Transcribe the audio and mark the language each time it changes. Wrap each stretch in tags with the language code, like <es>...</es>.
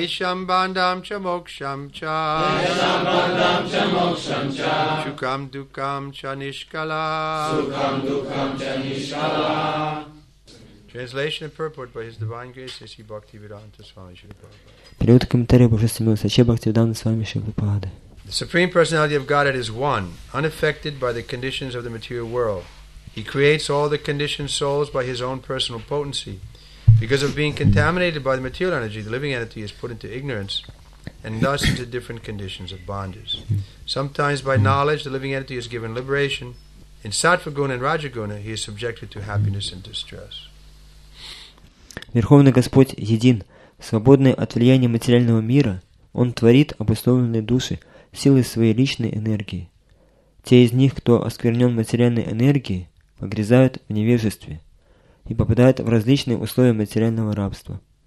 <sa>Esham bandham cha moksham cha. Esham bandham cha moksham cha. Sukam dukam chanishkala. Sukam dukam.</sa> <en>Translation of purport by His Divine Grace S.C. Bhaktivedanta Swami Shri Prabhupada.</en> <ru>Перевод комментария Божественной Милости С.C.</ru> <en>Bhaktivedanta Swami Shri Prabhupada. The Supreme Personality of Godhead is one, unaffected by the conditions of the material world. He creates all the conditioned souls by His own personal potency. Because of being contaminated by the material energy, the living entity is put into ignorance and thus into different conditions of bondage. Sometimes by knowledge, the living entity is given liberation. In Sattva-guna and Rajaguna, he is subjected to happiness and distress.</en> <ru>Верховный Господь един, свободный от влияния материального мира, Он творит обусловленные души силой своей личной энергии. Те из них, кто осквернен материальной энергией, погрязают в невежестве и попадают в различные условия материального рабства.</ru>